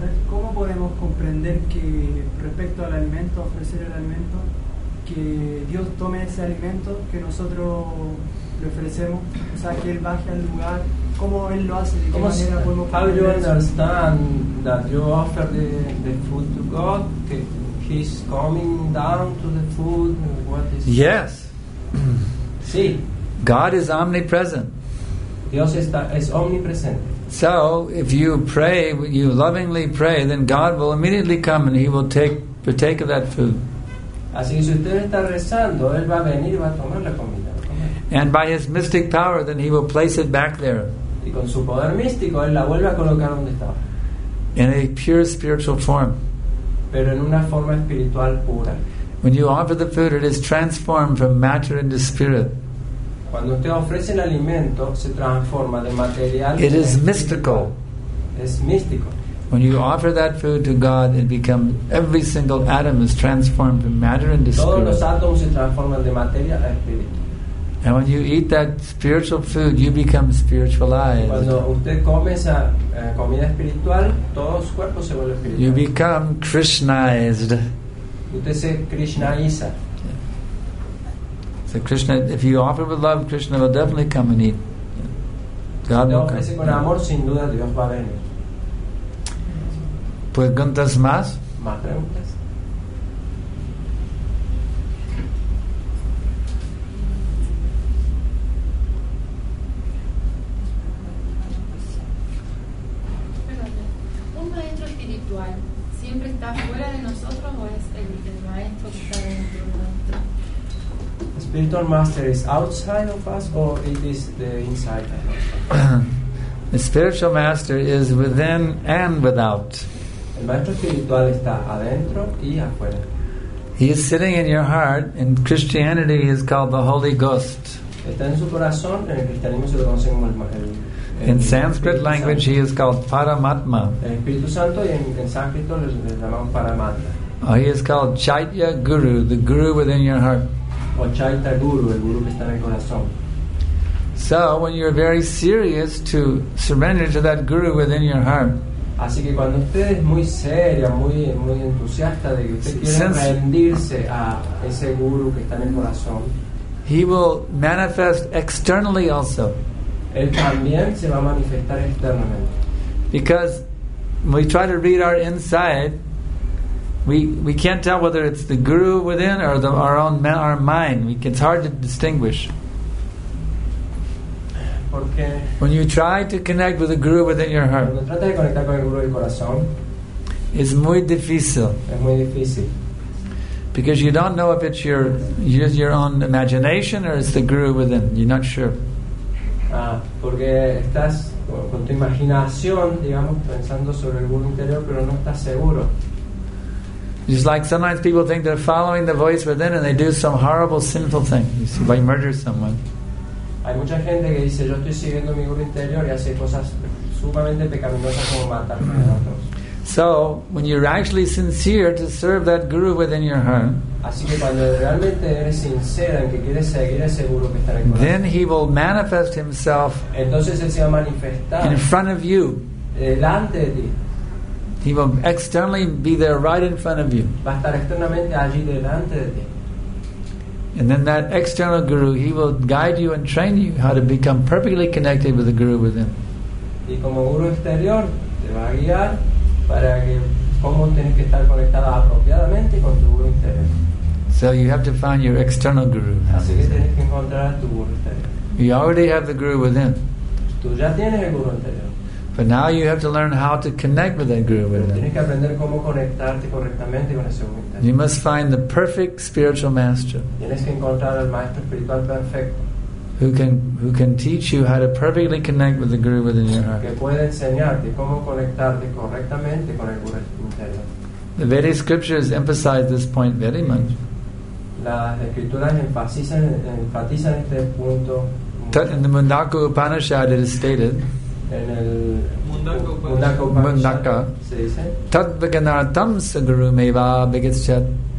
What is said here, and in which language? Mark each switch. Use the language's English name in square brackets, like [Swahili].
[Spanish] ¿Cómo podemos comprender que respecto al alimento, ofrecer el alimento, que Dios tome ese alimento que nosotros le ofrecemos, o sea, que él baje al lugar? ¿Cómo él lo hace? ¿De qué manera podemos comprender? [English] How do you understand that you offer the food to God? Que He's coming down to the food. What is? Yes. [Spanish] Sí. [English] God is omnipresent. [Spanish] Dios está, es omnipresente. [English] So, if you pray, you lovingly pray, then God will immediately come and He will take partake of that food. [Spanish] Así que si usted está rezando, él va a venir y va a tomar la comida. [English] And by His mystic power, then He will place it back there. [Spanish] Y con su poder místico, él la vuelve a colocar donde estaba. [English] In a pure spiritual form. [Spanish] Pero en una forma espiritual pura. [English] When you offer the food, it is transformed from matter into spirit. [Spanish] Cuando usted ofrece el alimento, se transforma de material. [English] It is mystical. [Spanish] Es místico. [English] When you offer that food to God, it becomes every single atom is transformed from matter into spirit. [Spanish] Todos los átomos se transforman de materia a espíritu. [English] And when you eat that spiritual food, you become spiritualized. [Spanish] Cuando usted come esa comida espiritual, todo su cuerpo se vuelve espiritual. [English] You become Krishnaized. [Spanish] Usted se Krishnaiza. [English] So Krishna, if you offer with love, Krishna will definitely come and eat. God will come. [Spanish] Si con amor, sin duda Dios va a venir. ¿Preguntas más? ¿Más preguntas? ¿Un maestro espiritual siempre está fuera de nosotros o es el maestro que está dentro de nosotros? [English] ¿Spiritual master is outside of us or it is the inside of us? The spiritual master is within and without. [Spanish] El maestro espiritual está adentro y afuera. [English] He is sitting in your heart. In Christianity, he is called the Holy Ghost. [Spanish] Está en su corazón. En el cristianismo se lo conoce como el [English] In Sanskrit language, he is called Paramatma. [Spanish] El Espíritu Santo y en sánscrito le llaman Paramatma. [English] Oh, he is called Chaitya Guru, the Guru within your heart. [Spanish] O Chaitya Guru, el Guru que está en el corazón. [English] So, when you are very serious to surrender to that Guru within your heart. [Spanish] Así que cuando usted es muy seria, muy entusiasta de que usted quiere rendirse a ese guru que está en el corazón, [English] he will manifest externally also. [Spanish] Él también se va a manifestar externamente. [English] Because when we try to read our inside, we can't tell whether it's the guru within or our mind. It's hard to distinguish. [Spanish] Porque [English] when you try to connect with the Guru within your heart, [Spanish] cuando trata de conectar con el Guru del corazón, es muy difícil. Es muy difícil. [English] Because you don't know if it's your own imagination or it's the Guru within. You're not sure. [Spanish] Porque estás con tu imaginación, digamos, pensando sobre el Guru interior, pero no estás seguro. [English] Just like sometimes people think they're following the voice within and they do some horrible, sinful thing. You see, by murder someone. [Spanish] Hay mucha gente que dice yo estoy siguiendo mi guru interior y hace cosas sumamente pecaminosas como matar a otros. [English] So when you're actually sincere to serve that guru within your heart, [Spanish] así que cuando realmente eres sincera en que quieres seguir ese guru que está en el corazón, [English] then he will manifest himself. [Spanish] Entonces él se va a manifestar [English] in front of you, [Spanish] delante de ti. [English] He will externally be there right in front of you. [Spanish] Va a estar externamente allí delante de ti. [English] And then that external guru, he will guide you and train you how to become perfectly connected with the guru within. [Spanish] Y como guru exterior te va a guiar para que cómo tienes que estar conectada apropiadamente con tu guru interior. [English] So you have to find your external guru. [Spanish] Así que tienes que encontrar tu guru interior. [English] You already have the guru within. [Spanish] Tú ya tienes el guru interior. [English] But now you have to learn how to connect with that guru within. [Spanish] Tienes que aprender cómo conectarte correctamente con ese guru interior. [English] You must find the perfect spiritual master. [Spanish] Tienes que encontrar al maestro espiritual perfecto. [English] Who can teach you how to perfectly connect with the guru within your heart. [Spanish] Que puede enseñarte cómo conectarte correctamente con el guru interior. [English] The Vedic scriptures emphasize this point very much. [Spanish] Las escrituras enfatizan este punto. [English] In the Mundaka Upanishad it is stated. [Spanish] Mundaka. [Sanskrit] Tad vaganartam sa guru meva bigatshat.